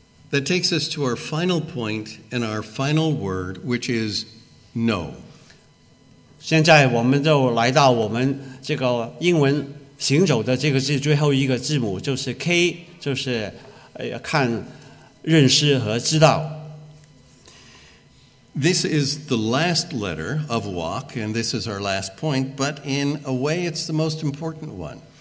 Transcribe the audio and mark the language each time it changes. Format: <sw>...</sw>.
<en>That takes us to our final point and our final word, which is no.</en> <zh>现在我们就来到我们这个英文行走的这个字最后一个字母，就是K， 就是看认识和知道。</zh> <en>This is the last letter of walk, and this is our last point, but in a way, it's the most important one.</en>